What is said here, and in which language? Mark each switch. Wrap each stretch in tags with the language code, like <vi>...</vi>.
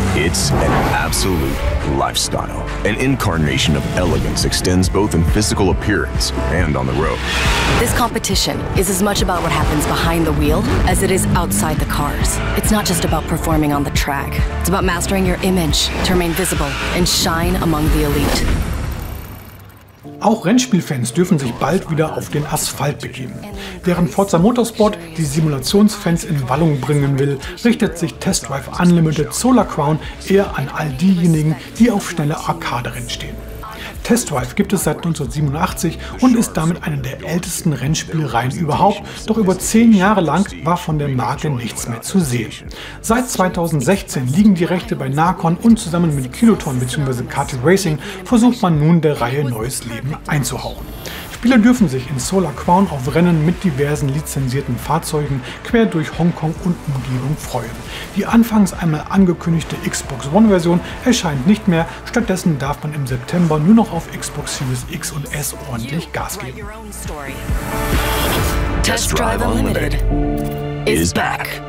<en>It's an absolute lifestyle. An incarnation of elegance extends both in physical appearance and on the road. This competition is as much about what happens behind the wheel as it is outside the cars. It's not just about performing on the track. It's about mastering your image to remain visible and shine among the elite.</en> <de>Auch Rennspielfans dürfen sich bald wieder auf den Asphalt begeben. Während Forza Motorsport die Simulationsfans in Wallung bringen will, richtet sich Test Drive Unlimited Solar Crown eher an all diejenigen, die auf schnelle Arcade-Rennen stehen. Test Drive gibt es seit 1987 und ist damit eine der ältesten Rennspielreihen überhaupt, doch über 10 Jahre lang war von der Marke nichts mehr zu sehen. Seit 2016 liegen die Rechte bei Narcon und zusammen mit Kiloton bzw. Karting Racing versucht man nun der Reihe neues Leben einzuhauchen. Spieler dürfen sich in Solar Crown auf Rennen mit diversen lizenzierten Fahrzeugen quer durch Hongkong und Umgebung freuen. Die anfangs einmal angekündigte Xbox One-Version erscheint nicht mehr, stattdessen darf man im September nur noch auf Xbox Series X und S ordentlich Gas geben.</de> <en>Test Drive Unlimited is back.</en>